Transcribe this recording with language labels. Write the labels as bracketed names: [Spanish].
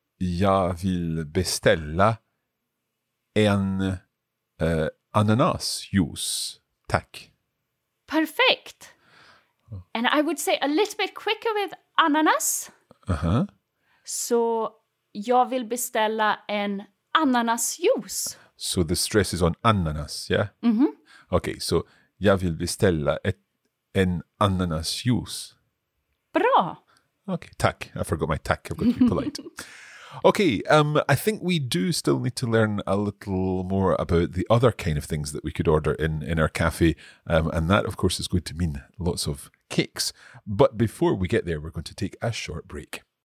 [Swedish] Jag vill beställa en ananas juice. Tack. [English] Perfect. And I would say a little bit quicker with ananas. Uh-huh. So [Swedish] jag vill beställa en ananasjuice. [English] So the stress is on ananas, yeah? Mm-hmm. Okay, so [Swedish] jag vill beställa en ananasjuice. Bra. [English] Okay, tack. I forgot my tack. I've got to be polite. Okay, I think we do still need to learn a little more about the other kind of things that we could order in our cafe. And that, of course, is going to mean lots of cakes. But before we get there, we're going to take a short break.